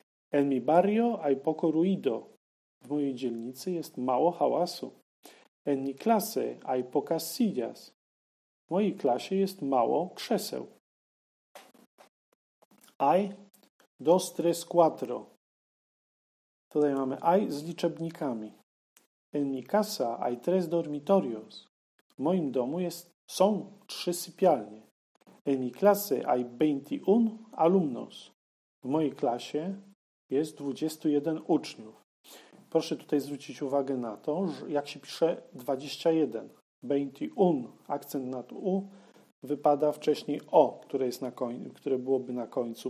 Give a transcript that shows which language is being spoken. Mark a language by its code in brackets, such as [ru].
[es] En mi barrio hay poco ruido. [pl] W mojej dzielnicy jest mało hałasu. [es] En mi clase hay pocas sillas. [pl] W mojej klasie jest mało krzeseł. I, dos, tres, cuatro. Tutaj mamy I z liczebnikami. [es] En mi casa hay tres dormitorios. [pl] W moim domu są trzy sypialnie. [es] En mi clase hay 21 alumnos. [pl] W mojej klasie jest 21 uczniów. Proszę tutaj zwrócić uwagę na to, że jak się pisze 21. 21, akcent nad U, wypada wcześniej O, które jest na które byłoby na końcu.